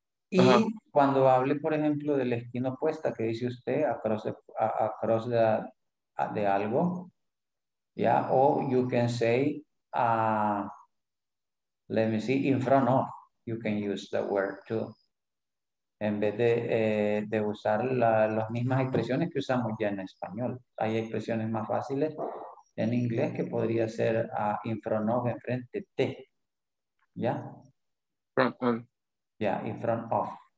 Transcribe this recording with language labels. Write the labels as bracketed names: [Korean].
[Spanish] Y cuando hable, por ejemplo, de la esquina opuesta que dice usted, [English] across [Spanish] de algo, ¿ya? [English] O you can say, let me see, in front of, you can use that word too. [Spanish] En vez de usar las mismas expresiones que usamos ya en español. Hay expresiones más fáciles en inglés que podría ser [English] in front of, [Spanish] en frente, te. ¿Ya? [English] Front on. Ya, yeah, in front of.